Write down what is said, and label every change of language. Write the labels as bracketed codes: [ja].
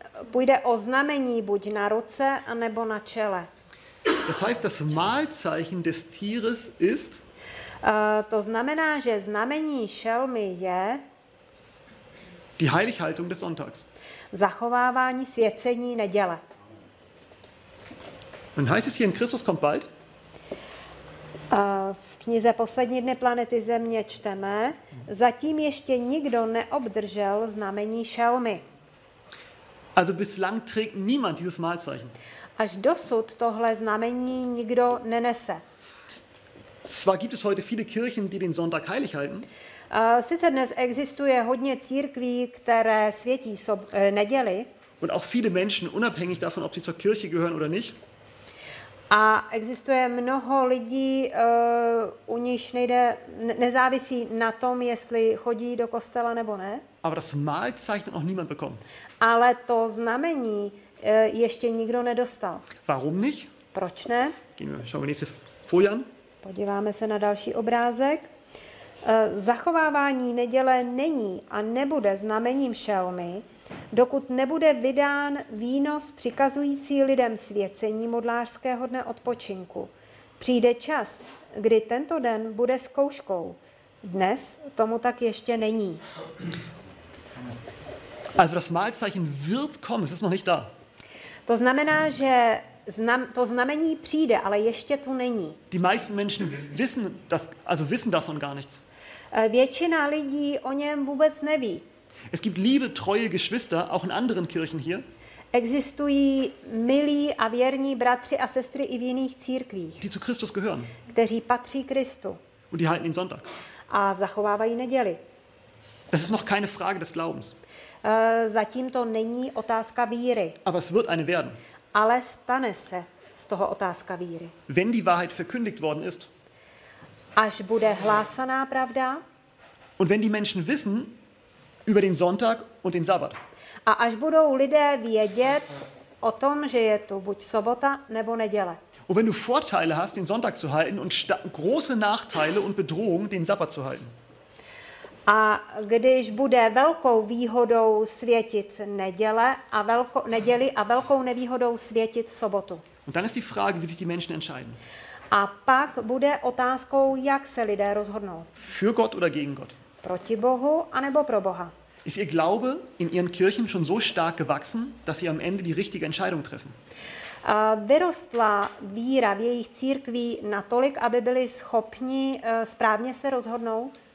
[cs] Půjde o znamení buď na ruce anebo na čele. [de] Das heißt, das Mahlzeichen des Tieres ist. [cs] To znamená, že znamení šelmy je. [de] Die Heilighaltung des Sonntags. [cs] Zachovávání svěcení neděle. [de] Und heißt es hier, in Christus kommt bald? [cs] V knize Poslední dny planety Země čteme, zatím ještě nikdo neobdržel znamení šelmy. [de] Also bislang trägt niemand dieses Mahlzeichen. [cs] Až dosud tohle znamení nikdo nenese. [de] Zwar gibt es heute viele Kirchen, die den Sonntag heilig halten. [cs] Sice dnes existuje hodně církví, které světí neděli. [de] Und auch viele Menschen, unabhängig davon, ob sie zur Kirche gehören oder nicht. [cs] A existuje mnoho lidí, u nichž nejde, nezávisí na tom, jestli chodí do kostela nebo ne. [de] Aber das Mahlzeichen noch niemand bekommen. [cs] Ale to znamení ještě nikdo nedostal. [de] Warum nicht? [cs] Proč ne? [de] Schauen wir nächste Folie an. [cs] Podíváme se na další obrázek. Zachovávání neděle není a nebude znamením šelmy, dokud nebude vydán výnos přikazující lidem svěcení modlářského dne odpočinku. Přijde čas, kdy tento den bude zkouškou. Dnes tomu tak ještě není. [de] Also das Mahlzeichen wird kommen, es ist noch nicht da. [cs] To znamená, že to znamení přijde, ale ještě tu není. [de] Die meisten Menschen wissen das, also wissen davon gar nichts. [cs] Většina lidí o něm vůbec neví. [de] Es gibt liebe, treue Geschwister auch in anderen Kirchen hier. [cs] Existují milí a věrní bratři a sestry i v jiných církvích. [de] Die zu Christus gehören. [cs] Kteří patří Kristu. [de] Und die halten den Sonntag. [cs] A zachovávají neděli. [de] Das ist noch keine Frage des Glaubens. [cs] Zatím to není otázka víry. [de] Aber es wird eine werden. [cs] Ale stane se z toho otázka víry. [de] Wenn die Wahrheit verkündigt worden ist. [cs] Až bude hlásaná pravda. [de] Und wenn die Menschen wissen über den Sonntag und den Sabbat. [cs] A až budou lidé vědět o tom, že je tu buď sobota nebo neděle. [de] Und wenn du Vorteile hast, den Sonntag zu halten und große Nachteile und Bedrohung, den Sabbat zu halten. [cs] A když bude velkou výhodou světit neděle a neděli a velkou nevýhodou světit sobotu. [de] Und dann ist die Frage, wie sich die Menschen entscheiden. [cs] A pak bude otázkou, jak se lidé rozhodnou. [de] Für Gott oder gegen Gott? [cs] Proti Bohu anebo pro Boha? [de] Ist ihr Glaube in ihren Kirchen schon so stark gewachsen, dass sie am Ende die richtige Entscheidung treffen? [cs] Vyrostla víra v jejich církví natolik, aby byli schopni správně se rozhodnout?